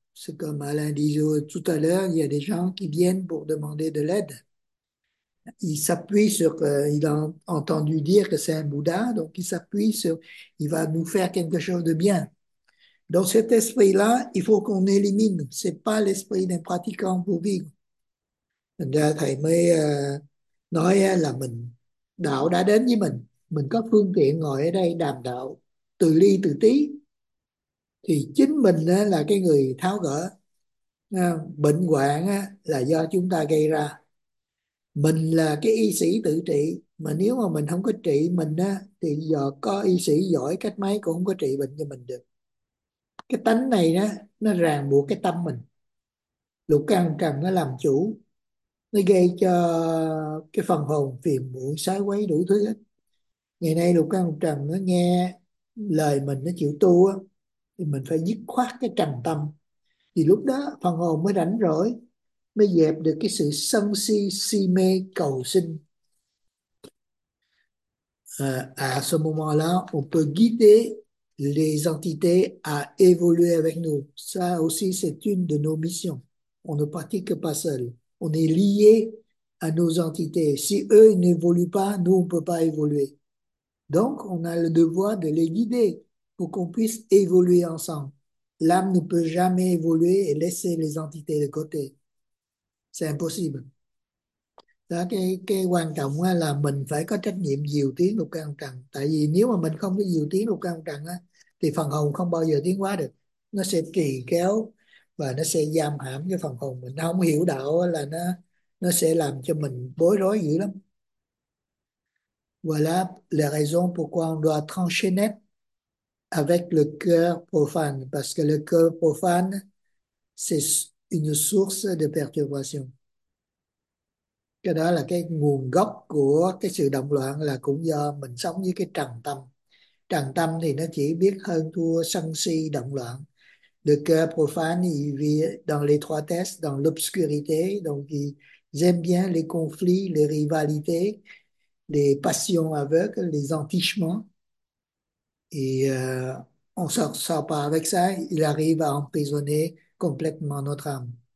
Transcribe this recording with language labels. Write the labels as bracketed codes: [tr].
[fr] C'est comme Alain disait tout à l'heure, il y a des gens qui viennent pour demander de l'aide. Il s'appuie sur, il a entendu dire que c'est un Bouddha, donc il s'appuie sur, il va nous faire quelque chose de bien. Dans cet esprit-là, il faut qu'on élimine. Ce n'est pas l'esprit d'un pratiquant bouddhique. [vi] Là, thầy mới nói là mình đạo đã đến với mình có phương tiện ngồi ở đây đàm đạo từ ly từ tí, thì chính mình là cái người tháo gỡ bệnh hoạn là do chúng ta gây ra. Mình là cái y sĩ tự trị, mà nếu mà mình không có trị mình thì giờ có y sĩ giỏi cách mấy cũng không có trị bệnh cho mình được. Cái tánh này nó ràng buộc cái tâm mình, lục căn cần nó làm chủ, nó gây cho cái phần hồn phiền muộn sái quấy đủ thứ hết. Ngày nay lục căn lục trần nó nghe lời mình, nó chịu tu thì mình phải dứt khoát cái trần tâm, thì lúc đó phần hồn mới rảnh rỗi, mới dẹp được cái sự sân si si mê cầu sinh. [fr] À ce moment-là, on peut guider les entités à évoluer avec nous. Ça aussi, c'est une de nos missions. On ne pratique pas seul. On est lié à nos entités. Si eux n'évoluent pas, nous, on ne peut pas évoluer. Donc, on a le devoir de les guider pour qu'on puisse évoluer ensemble. L'âme ne peut jamais évoluer et laisser les entités de côté. C'est impossible. [vi] Đó, cái quan trọng là mình phải có trách nhiệm diều tiến lục căn lục trần. Tại vì nếu mà mình không có diều tiến lục căn lục trần thì phần hồn không bao giờ tiến hóa được. Nó sẽ trì kéo và nó sẽ giam hãm cái phần hồn mình. Nó không hiểu đạo là nó sẽ làm cho mình bối rối dữ lắm. [fr] Voilà la raison pourquoi on doit trancher net avec le cœur profane. Parce que le cœur profane, c'est une source de perturbation. [vi] Cái đó là cái nguồn gốc của cái sự động loạn, là cũng do mình sống với cái trần tâm. Trần tâm thì nó chỉ biết hơn thua sân si động loạn. [fr] Le cœur profane, il vit dans l'étroitesse, dans l'obscurité. Donc, ils aiment bien les conflits, les rivalités, les passions aveugles, les entichements. Et on ne sort pas avec ça. Il arrive à emprisonner complètement notre âme.